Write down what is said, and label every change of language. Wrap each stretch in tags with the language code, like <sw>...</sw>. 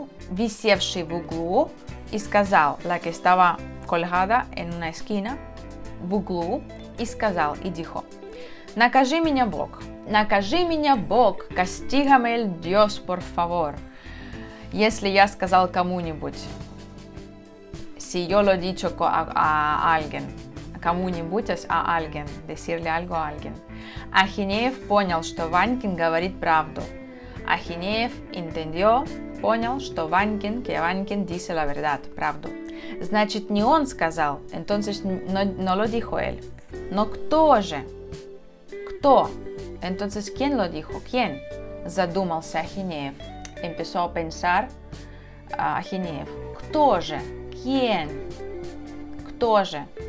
<ru>Висевший в углу,</ru> <es>y</es> <ru>сказал,</ru> <es>la que estaba colgada en una esquina,</es> <ru>в углу,</ru> <es>y</es> <ru>сказал,</ru> <es>y dijo,</es> <ru>накажи меня Бог,</ru> <es>castígame el Dios, por favor,</es> <ru>если я сказал кому-нибудь.</ru> <es>Si yo lo he dicho a alguien, decirle algo a alguien.</es> <ru>Ахинеев понял, что Ванькин говорит правду. Ахинеев</ru> <es>entendió,</es> <ru>понял, что Ванькин,</ru> <es>que</es> <ru>Ванькин</ru> <es>dice la verdad,</es> <ru>правду. Значит, не он сказал,</ru> <es>entonces no lo dijo él.</es> <ru>Но кто же? Кто?</ru> <es>Entonces, ¿quién lo dijo? ¿Quién?</es> <ru>Задумался Ахинеев.</ru> <es>Empezó a pensar Ахинеев.</es> <ru>Кто же?</ru> <es>¿Quién?</es> <ru>¿Кто же?</ru>